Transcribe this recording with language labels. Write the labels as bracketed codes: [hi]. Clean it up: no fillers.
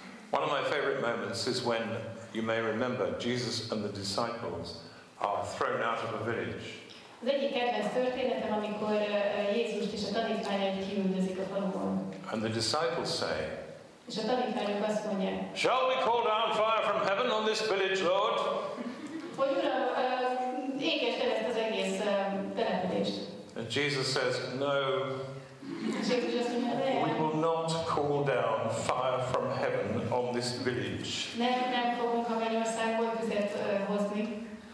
[en] One of my favorite moments is when, you may remember, Jesus and the disciples are thrown out of a village. [hu] Az egyik kedvenc történetem, amikor Jézust és a tanítványait kiüldözik a faluban. [en] And the disciples say, [hu] és a tanítványok azt mondják, [en] shall we call down fire from heaven on this village, Lord? [hu] Hogy Uram, égesd ezt az egész települést. [en] And Jesus says, no. [hu] Jézus azt mondja, de. [en] We will not call down fire from heaven on this village. [hu] Nem fogunk a mennyországból tüzet hozni.